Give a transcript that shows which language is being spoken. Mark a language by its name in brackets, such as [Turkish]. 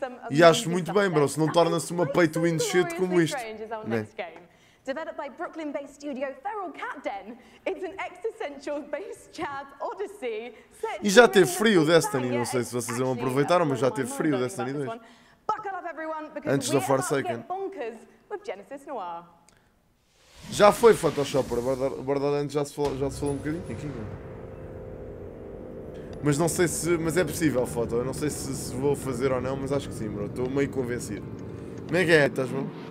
[Portuguese] E acho muito bem, bro. Se não torna-se uma pay-to-win shit como isto. [English] Developed by Brooklyn-based studio Feral Cat Den, it's an existential based jazz odyssey. [Portuguese] E já teve frio Destiny, não sei se vocês vão aproveitaram, mas já teve frio Destiny 2. [English] Buckle up everyone, because we're about to get bonkers with Genesis Noir. [Portuguese] Já foi Photoshop, abordadamente já se falou um bocadinho aqui. Mas não sei se, mas é possível a foto, eu não sei se vou fazer ou não, mas acho que sim, bro. Estou meio convencido. Como é que é, estás bom?